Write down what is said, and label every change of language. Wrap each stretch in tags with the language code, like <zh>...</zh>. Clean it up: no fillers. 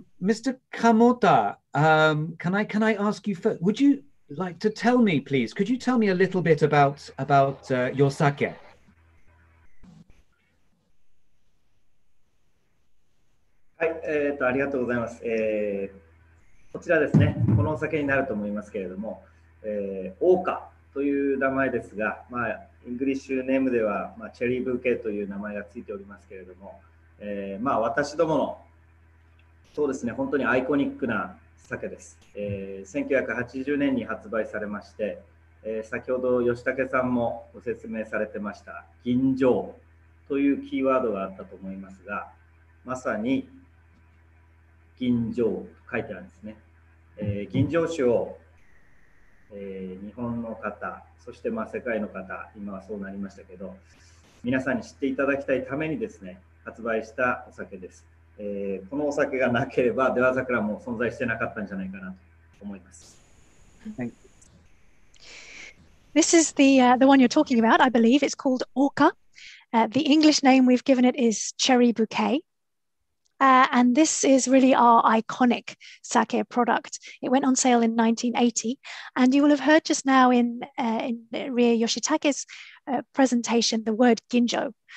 <en>Mr. Kamota, can I ask you first, would you like to tell me, please, could you tell me a little bit about your sake?</en> <ja>ありがとうございます、こちらですね、このお酒になると思いますけれども、オーカという名前ですが、まあ、イングリッシュネームでは、まあ、チェリーブーケという名前がついておりますけれども、まあ、私どもの、そうですね、本当にアイコニックな酒です、1980年に発売されまして、先ほど吉武さんもご説明されてました吟醸というキーワードがあったと思いますが、まさに吟醸と書いてあるんですね、吟醸酒を、日本の方そしてまあ世界の方今はそうなりましたけど皆さんに知っていただきたいためにですね発売したお酒です、このお酒がなければ出羽桜も存在してなかったんじゃないかなと思います</ja> <en>This is the one you're talking about, I believe it's called Oka、The English name we've given it is Cherry Bouquet. And this is really our iconic sake product. It went on sale in 1980. And you will have heard just now in Rie Yoshitake's presentation, the word ginjo.</en>